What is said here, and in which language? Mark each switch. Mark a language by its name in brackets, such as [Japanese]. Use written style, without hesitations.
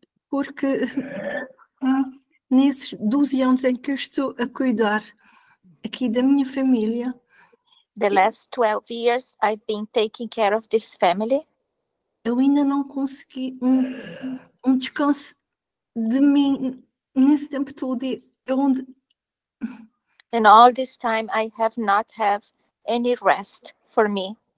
[Portuguese] Porque nesses 12 anos em que eu estou a cuidar aqui da minha família... [English] The last 12 years I've been taking care of this family. [Portuguese] Eu ainda não consegui um descanso de mim Nesse tempo todo, onde... [English] And all this time I have not have any rest for me.